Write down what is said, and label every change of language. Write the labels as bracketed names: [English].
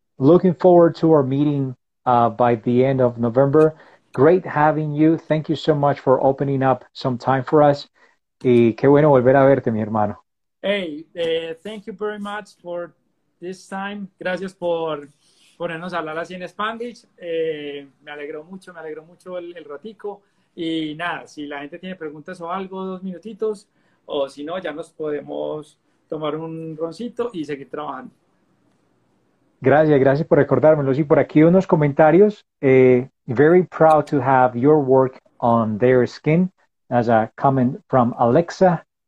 [English] Looking forward to our meeting by the end of November. Great having you. Thank you so much for opening up some time for us. [Spanish] Y qué bueno volver a verte, mi hermano. [English] Hey, thank you very much for this time. [Spanish] Gracias por ponernos a hablar así en Spanish. Me alegro mucho el ratico. Y nada, si la gente tiene preguntas o algo, dos minutitos, o si no, ya nos podemos tomar un roncito y seguir trabajando. Gracias, gracias por recordármelo. Y por aquí unos comentarios. [English] Very proud to have your work on their skin, as a comment from Alexa.